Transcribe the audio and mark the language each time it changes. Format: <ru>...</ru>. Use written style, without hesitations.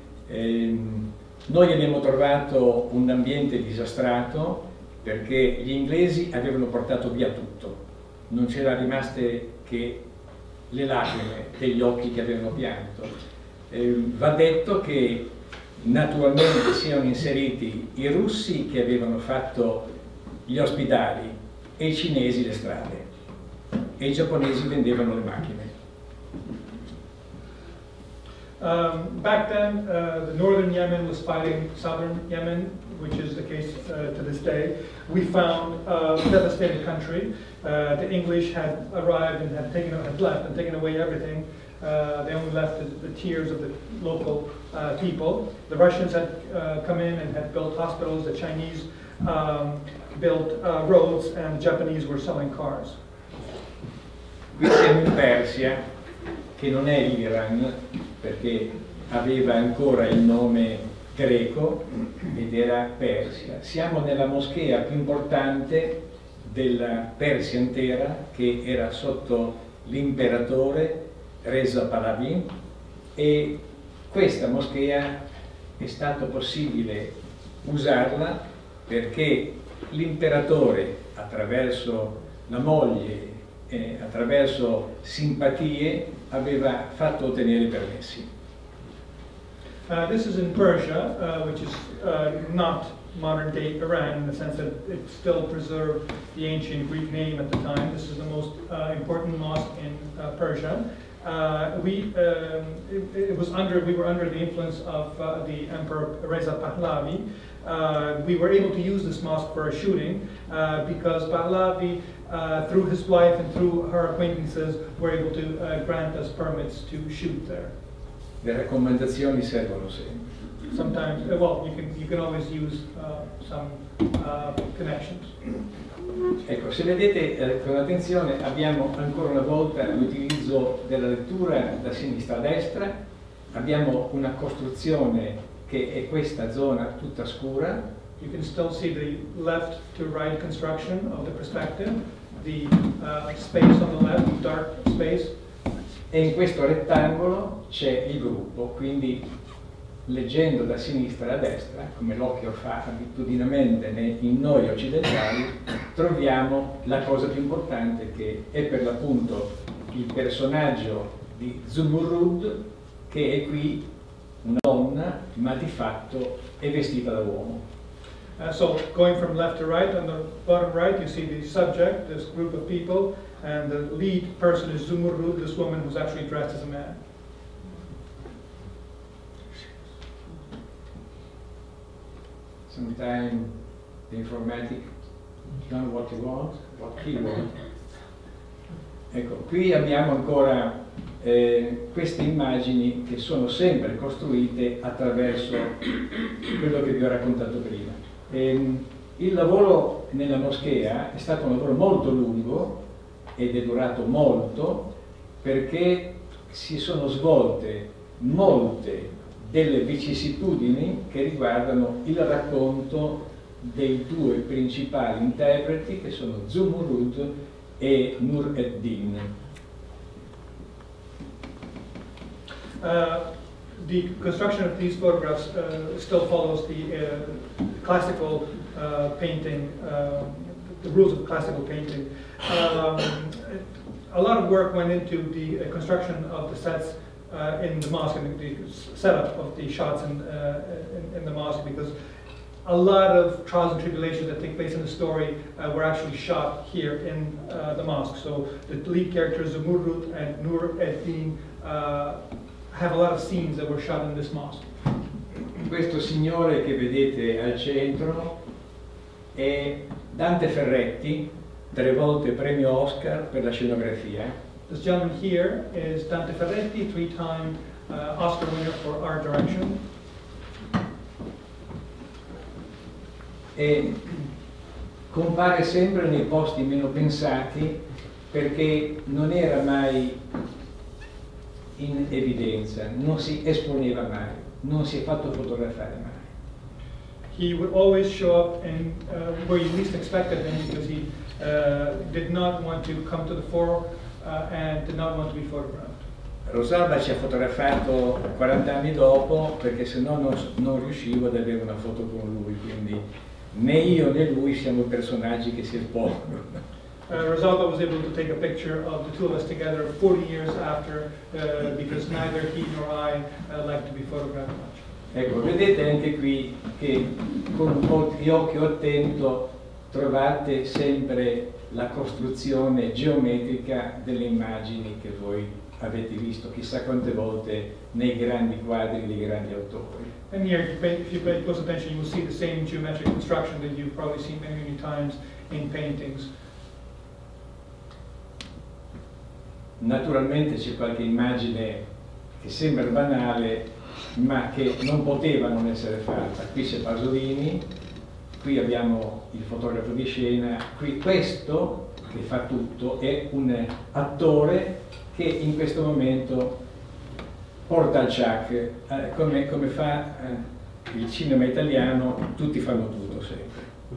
<it>Noi abbiamo trovato un ambiente disastrato perché gli inglesi avevano portato via tutto, non c'era rimaste che le lacrime degli occhi che avevano pianto. Va detto che naturalmente si erano inseriti i russi che avevano fatto gli ospedali e i cinesi le strade e i giapponesi vendevano le macchine.</it> <en>Back then, the northern Yemen was fighting southern Yemen, which is the case to this day. We found a devastated country. The English had arrived and had taken away everything. They only left the tears of the local people. The Russians had come in and had built hospitals. The Chinese built roads, and the Japanese were selling cars.</en> <it>Qui siamo in Persia, che non è l'Iran, perché aveva ancora il nome greco ed era Persia. Siamo nella moschea più importante della Persia intera, che era sotto l'imperatore Reza Pahlavi, e questa moschea è stato possibile usarla perché l'imperatore, attraverso la moglie, attraverso simpatie, aveva fatto ottenere i permessi.</it> <en>This is in Persia, which is not modern day Iran, in the sense that it still preserved the ancient Greek name at the time. This is the most important mosque in Persia. We were under the influence of the Emperor Reza Pahlavi. We were able to use this mosque for a shooting because Pahlavi, through his wife and through her acquaintances, were able to grant us permits to shoot there.</en> <it>Le raccomandazioni servono sempre.</it> <en>Sometimes, you can always use some connections.</en> <it>Ecco, se vedete con attenzione, abbiamo ancora una volta l'utilizzo della lettura da sinistra a destra, abbiamo una costruzione che è questa zona tutta scura.</it> <en>You can still see the left to right construction of the perspective, the space on the left, dark space.</en> <it>E in questo rettangolo c'è il gruppo, quindi leggendo da sinistra a destra, come l'occhio fa abitudinamente in noi occidentali, troviamo la cosa più importante, che è per l'appunto il personaggio di Zumurrud, che è qui una donna, ma di fatto è vestita da uomo.</it> <en>So going from left to right, on the bottom right you see the subject, this group of people, and the lead person is Zumurrud, this woman who's actually dressed as a man. Sometime the informatic know what you want, what he want.</en> <it>Ecco, qui abbiamo ancora queste immagini che sono sempre costruite attraverso quello che vi ho raccontato prima. Il lavoro nella moschea è stato un lavoro molto lungo ed è durato molto perché si sono svolte molte delle vicissitudini che riguardano il racconto dei due principali interpreti, che sono Zumurrud e Nur ed-Din.</it> <en>The construction of these photographs still follows the classical painting, the rules of classical painting. A lot of work went into the construction of the sets in the mosque, and the setup of the shots in the mosque, because a lot of trials and tribulations that take place in the story were actually shot here in the mosque. So the lead characters of Zumurrud and Nur ed-Din have a lot of scenes that were shot in this mosque.</en> <it>Questo signore che vedete al centro è Dante Ferretti, tre volte premio Oscar per la scenografia.</it> <en>This gentleman here is Dante Ferretti, three-time Oscar winner for art direction.</en> <it>E compare sempre nei posti meno pensati perché non era mai in evidenza, non si esponeva mai, non si è fatto fotografare mai.</it> <en>He uh, he would always show up and where you least expected him, because he did not want to come to the fore and did not want to be photographed.</en> <it>Rosalba ci ha fotografato 40 anni dopo, perché se no non riuscivo ad avere una foto con lui, quindi né io né lui siamo personaggi che si espongono.</it> <en>Rosalba was able to take a picture of the two of us together 40 years after, because neither he nor I liked to be photographed much.</en> <it>Ecco, vedete anche qui che con gli occhi attento trovate sempre la costruzione geometrica delle immagini che voi avete visto chissà quante volte nei grandi quadri dei grandi autori.</it> <en>And here, if you pay close attention, you will see the same geometric construction that you've probably seen many, many times in paintings.</en> <it>Naturalmente c'è qualche immagine che sembra banale, ma che non poteva non essere fatta. Qui c'è Pasolini, qui abbiamo il fotografo di scena, qui questo che fa tutto è un attore che in questo momento porta il ciak, come fa il cinema italiano, tutti fanno tutto sempre.</it>